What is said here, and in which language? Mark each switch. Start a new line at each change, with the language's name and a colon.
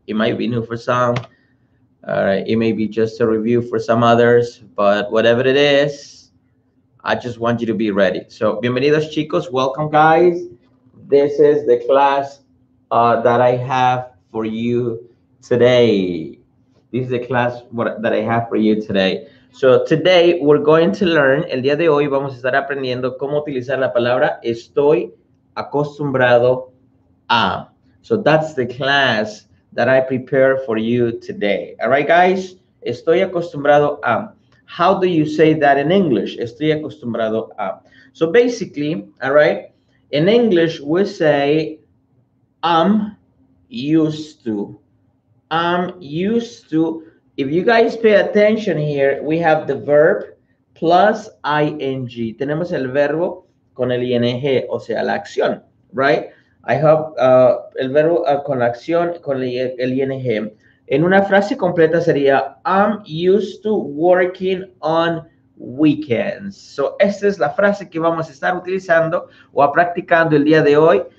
English: It might be new for some. It may be just a review for some others. But whatever it is, I just want you to be ready. So,
Spanish: bienvenidos, chicos.
English: Welcome, guys. This is the class that I have for you today. This is the class that I have for you today. So today we're going to learn,
Spanish: el día de hoy vamos a estar aprendiendo cómo utilizar la palabra estoy acostumbrado a.
English: So that's the class that I prepared for you today. All right, guys,
Spanish: estoy acostumbrado a.
English: How do you say that in English?
Spanish: Estoy acostumbrado a.
English: So basically, all right, in English we say I'm used to. I'm used to. If you guys pay attention here, we have the verb plus ing.
Spanish: Tenemos el verbo con el ing, o sea, la acción, right?
English: I have
Spanish: el verbo con la acción con el ing. En una frase completa sería,
English: I'm used to working on weekends.
Spanish: So, esta es la frase que vamos a estar utilizando o practicando el día de hoy.